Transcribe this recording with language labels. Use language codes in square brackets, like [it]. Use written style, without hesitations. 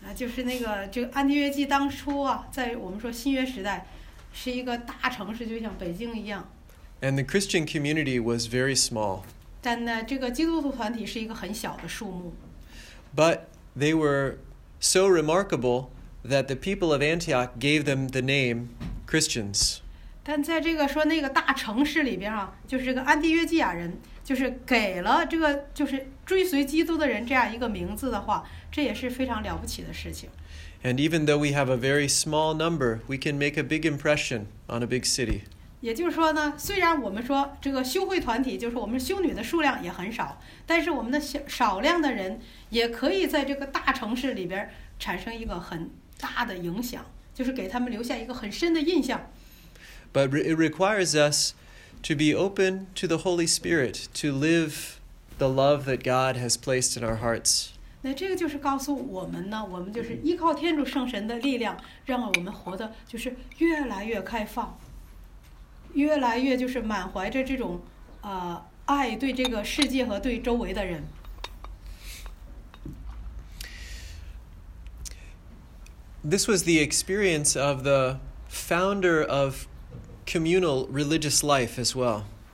[zh] 就是那个这个安提约基当初啊，在我们说新约时代，是一个大城市，就像北京一样。 [en] And the Christian community was very small. [zh] 但呢，这个基督徒团体是一个很小的数目。 [en] But they were so remarkable that the people of Antioch gave them the name Christians. [zh] 但在这个说那个大城市里边啊，就是这个安提约基亚人。就是给了这个就是追随基督的人这样一个名字的话，这也是非常了不起的事情。 [en] And even though we have a very small number, we can make a big impression on a big city. [zh] 也就是说呢，虽然我们说这个修会团体，就是我们修女的数量也很少，但是我们的少量的人也可以在这个大城市里边产生一个很大的影响，就是给他们留下一个很深的印象。 [en] But it requires us to be open to the Holy Spirit, to live the love that God has placed in our hearts. [zh] 那这个就是告诉我们呢，我们就是依靠天主圣神的力量，让我们活得就是越来越开放，越来越就是满怀着这种爱对这个世界和对周围的人。 [en] This was the experience of the founder of communal religious life as well.